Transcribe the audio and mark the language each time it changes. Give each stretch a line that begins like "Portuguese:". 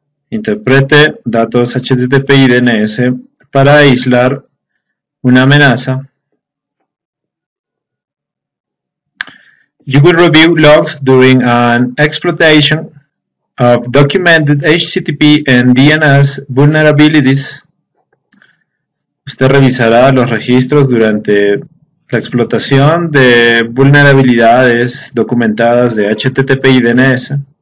Spanish: Interprete datos HTTP y DNS para aislar una amenaza.
English: You will review logs during an exploitation of documented HTTP and DNS vulnerabilities.
Spanish: Usted revisará los registros durante la explotación de vulnerabilidades documentadas de HTTP y DNS.